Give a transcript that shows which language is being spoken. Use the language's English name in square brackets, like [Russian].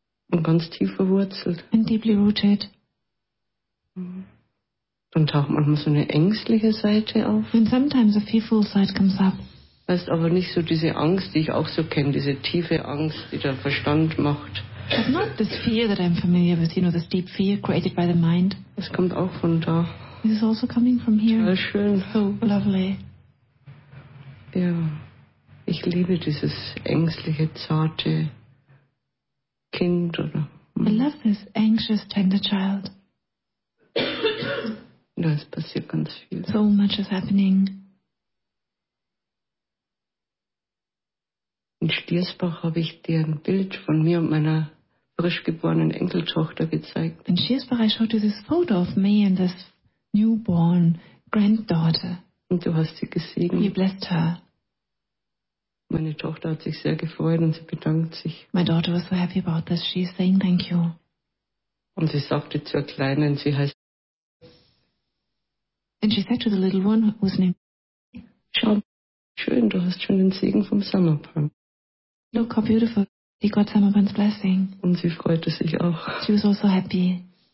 [German] Und ganz tief verwurzelt. [English] And deeply rooted. [German] Dann taucht manchmal so eine ängstliche Seite auf. [English] And sometimes a fearful side comes up. [German] Heißt aber nicht so diese Angst, die ich auch so kenne, diese tiefe Angst, die der Verstand macht. [English] It's not this fear that I'm familiar with, you know, this deep fear created by the mind. [German] Das kommt auch von da. [English] This is also coming from here. [German] Sehr schön. [English] So lovely. [German] Ja, ich liebe dieses ängstliche, zarte Kind. Oder. [English] I love this anxious, tender child. [German] Da ist passiert ganz viel. [English] So much is happening. [German] In Stiersbach habe ich dir ein Bild von mir und meiner frisch geborenen Enkeltochter gezeigt. [English] And she has [German] bereits [English] showed you this photo of me and this newborn granddaughter. [German] Und du hast sie gesehen. [English] You blessed her. [German] Meine Tochter hat sich sehr gefreut und sie bedankt sich. [English] My daughter was so happy about this. She is saying thank you. [German] Und sie sagte zur Kleinen, sie heißt. [English] And she said to the little one whose name. [German] Schau, schön, du hast schon den Segen vom Summerpunk. [English] Look how beautiful. He got Summerpunk's blessing. [German] Und sie freute sich auch. [English] She was also happy.